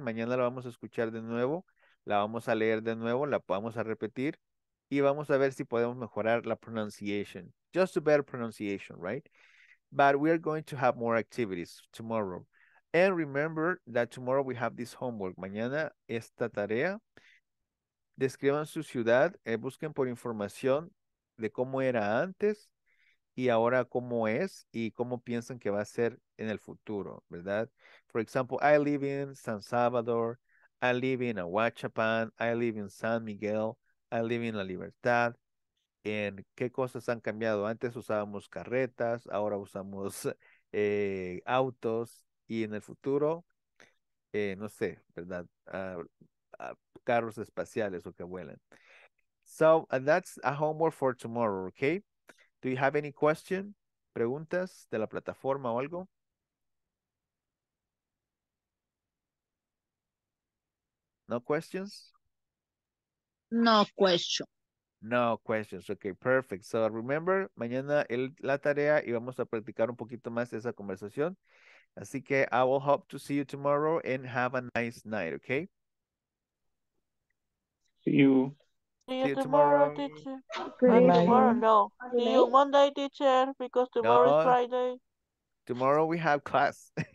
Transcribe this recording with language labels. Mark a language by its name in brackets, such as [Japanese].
[Spanish] Mañana la vamos a escuchar de nuevo. La vamos a leer de nuevo. La vamos a repetir. Y vamos a ver si podemos mejorar la pronunciation. [English] Just a better pronunciation, right? But we are going to have more activities tomorrow. And remember that tomorrow we have this homework. [Spanish] Mañana esta tarea. Describan su ciudad. Busquen por información de cómo era antes y ahora cómo es y cómo piensan que va a ser en el futuro, ¿verdad? [English] For example, I live in San Salvador. I live in Ahuachapán. I live in San Miguel. I live in La Libertad. En qué cosas han cambiado. [Spanish] Antes usábamos carretas, ahora usamos autos y en el futuro, no sé, ¿verdad? Carros espaciales o que vuelan. [English] So, and that's a homework for tomorrow, okay? Do you have any question, preguntas de la plataforma o algo? No questions? No question. No questions. Okay, perfect. [Spanish] So remember, mañana la tarea y vamos a practicar un poquito más esa conversación. [English] Así que I will hope to see you tomorrow and have a nice night, okay? See you tomorrow, teacher. Bye-bye. See you tomorrow, no. See you Monday, teacher, because tomorrow is Friday. Tomorrow we have class.